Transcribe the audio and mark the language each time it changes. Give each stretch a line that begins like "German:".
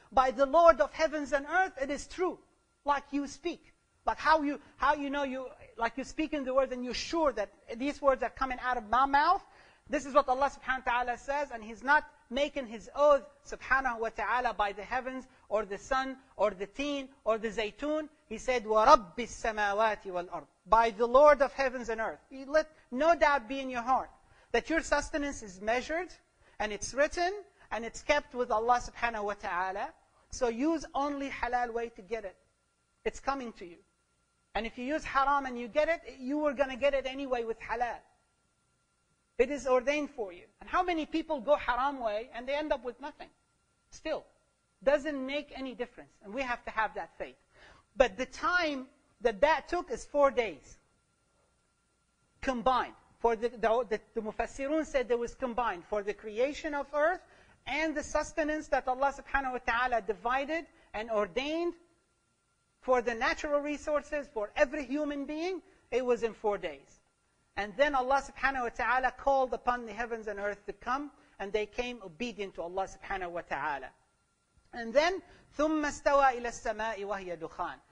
English: By the Lord of heavens and earth, it is true. Like you speak. Like how you know you, like you speak in the words and you're sure that these words are coming out of my mouth. This is what Allah subhanahu wa ta'ala says, and he's not making his oath subhanahu wa ta'ala by the heavens or the sun or the teen or the zaytun. He said,
Arabic: وَرَبِّ السَّمَاوَاتِ وَالْأَرْضِ.
English: By the Lord of heavens and earth. Let no doubt be in your heart that your sustenance is measured and it's written, and it's kept with Allah subhanahu wa ta'ala. So use only halal way to get it. It's coming to you. And if you use haram and you get it, you were going to get it anyway with halal. It is ordained for you. And how many people go haram way and they end up with nothing? Still, doesn't make any difference. And we have to have that faith. But the time that that took is 4 days combined. For the Mufassirun said there was combined for the creation of earth and the sustenance that Allah subhanahu wa ta'ala divided and ordained for the natural resources for every human being, it was in 4 days. And then Allah subhanahu wa ta'ala called upon the heavens and earth to come, and they came obedient to Allah subhanahu wa ta'ala. And then,
Arabic: ثُمَّ اسْتَوَى إِلَى السَّمَاءِ وَهِيَ دُخَانٍ.